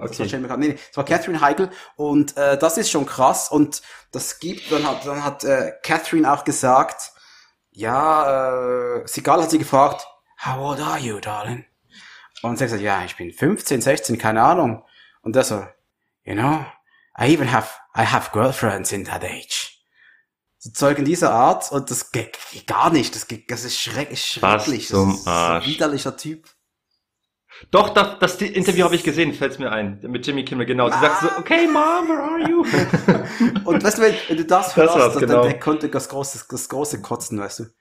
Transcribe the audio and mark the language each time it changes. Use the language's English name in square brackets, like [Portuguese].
[German] Das war Catherine Heigl und das ist schon krass und das gibt, dann hat Catherine auch gesagt, ja, Seagal hat sie gefragt, [English] how old are you, darling? [German] Und sie hat gesagt, ja, ich bin 15, 16, keine Ahnung. Und er so, [English] you know, I have girlfriends in that age. [German] So Zeug in dieser Art und das geht gar nicht, das ist schrecklich. Was zum Arsch. Das ist ein widerlicher Typ. Doch, das Interview habe ich gesehen, fällt's mir ein, mit Jimmy Kimmel, genau. Sie sagt so, [English] okay, Mom, where are you? [German] Und weißt du, wenn du das hörst, dann genau. Der konnte das große Kotzen, weißt du.